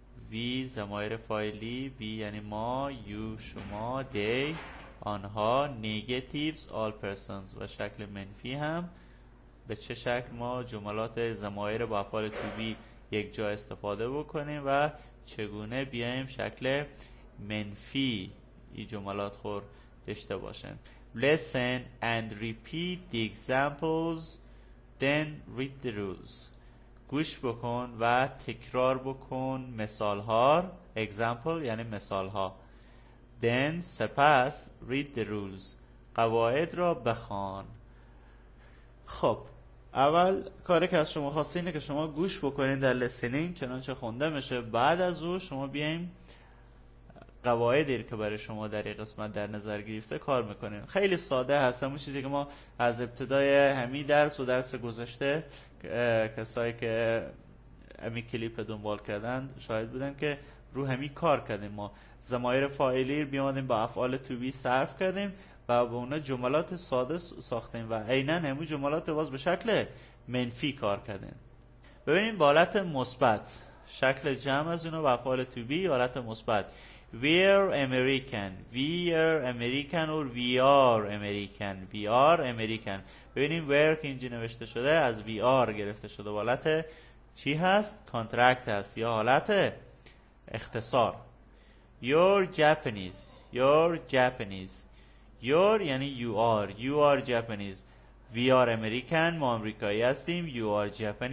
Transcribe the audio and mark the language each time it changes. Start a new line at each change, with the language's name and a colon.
Persian: we ضمایر فاعلی، we یعنی ما، you شما، they آنها،
English: negatives all persons
Persian: و شکل منفی هم به چه شکل ما جملات ضمایر با افعال to be یک جا استفاده بکنیم و چگونه بیایم شکل منفی این جملات خور داشته باشیم.
English: Listen and repeat the examples, then read the rules.
Persian: گوش بکن و تکرار بکن مثال‌ها، example یعنی مثال‌ها.
English: Then سپس read the rules.
Persian: قواعد را بخوان. خب، اول کاری که از شما خواسته اینه که شما گوش بکنید در listening چنانچه خونده میشه. بعد از او شما بیایم قواعدی که برای شما در این قسمت در نظر گرفته کار میکنیم. خیلی ساده هست، همون چیزی که ما از ابتدای همین درس و درس گذشته کسایی که امی کلیپ دنبال کردن شاید بودن که رو همین کار کردیم. ما ضمایر فاعلی رو بیامدیم با افعال تو بی صرف کردیم و با اونا جملات ساده ساختیم و عیناً همون جملات باز به شکل منفی کار کردیم. ببینیم حالت مثبت شکل جمع از اونا با افعال تو بی، حالت مثبت
English: We're American. We're American or we are American. We are American.
Persian: ببینیم where که اینجا نوشته شده از we are گرفته شده، حالت چی هست؟ contract هست یا حالت اختصار.
English: You're Japanese. You're Japanese. Your یعنی you are. You are Japanese. We are American.
Persian: ما امریکایی هستیم.
English: You are Japanese.